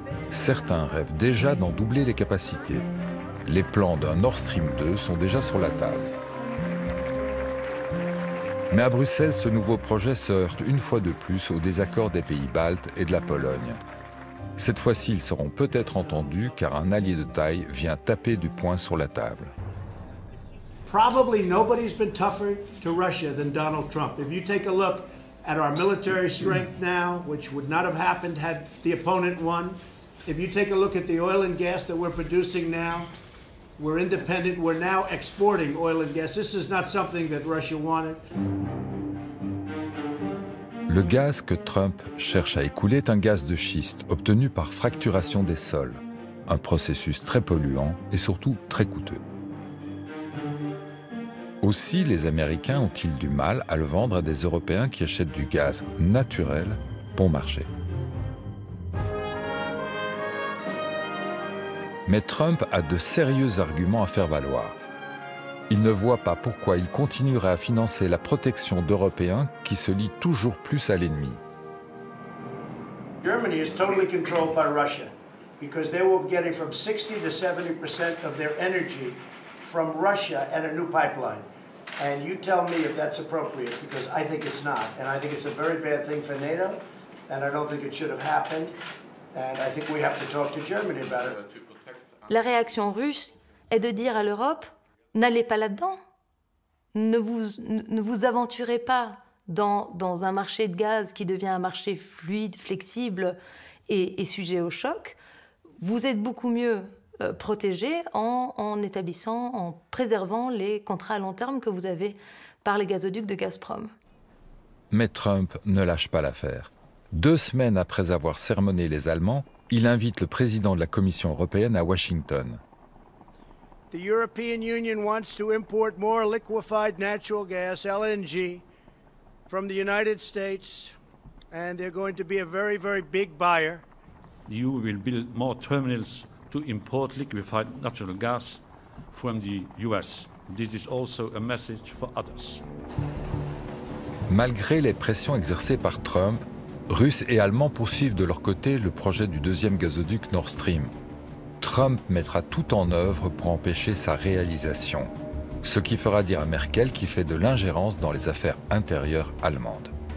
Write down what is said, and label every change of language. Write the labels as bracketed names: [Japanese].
[French] Certains rêvent déjà d'en doubler les capacités. Les plans d'un Nord Stream 2 sont déjà sur la table. Mais à Bruxelles, ce nouveau projet se heurte une fois de plus au désaccord des pays baltes et de la Pologne. Cette fois-ci, ils seront peut-être entendus car un allié de taille vient taper du poing sur la table. [English] Probably nobody's been tougher to Russia than Donald Trump. If you take a look at our military strength now, which would not have happened had the opponent won. If you take a look at the oil and gas that we're producing now, we're independent, we're now exporting oil and gas. This is not something that Russia wanted. [French] Le gaz que Trump cherche à écouler est un gaz de schiste obtenu par fracturation des sols, un processus très polluant et surtout très coûteux. Aussi, les Américains ont-ils du mal à le vendre à des Européens qui achètent du gaz naturel bon marché. Mais Trump a de sérieux arguments à faire valoir. Il ne voit pas pourquoi il continuerait à financer la protection d'Européens qui se lient toujours plus à l'ennemi. [English] Germany is totally controlled by Russia because they will be getting from 60 to 70% of their energy from Russia and a new pipeline. And you tell me if that's appropriate, because I think it's not. And I think it's a very bad thing for NATO, and I don't think it should have happened. And I think we have to talk to Germany about it. [French] La réaction russe est de dire à l'Europe, n'allez pas là-dedans. Ne vous aventurez pas dans un marché de gaz qui devient un marché fluide, flexible et sujet au choc. Vous êtes beaucoup mieux protégés en établissant, en préservant les contrats à long terme que vous avez par les gazoducs de Gazprom. Mais Trump ne lâche pas l'affaire. Deux semaines après avoir sermonné les Allemands, il invite le président de la Commission européenne à Washington. [English] The European Union wants to import more liquefied natural gas, LNG, from the United States, and they're going to be a very, very big buyer. The EU will build more terminals to import liquefied natural gas from the US. This is also a message for others. [French] Malgré les pressions exercées par Trump, Russes et Allemands poursuivent de leur côté le projet du deuxième gazoduc Nord Stream. Trump mettra tout en œuvre pour empêcher sa réalisation, ce qui fera dire à Merkel qu'il fait de l'ingérence dans les affaires intérieures allemandes.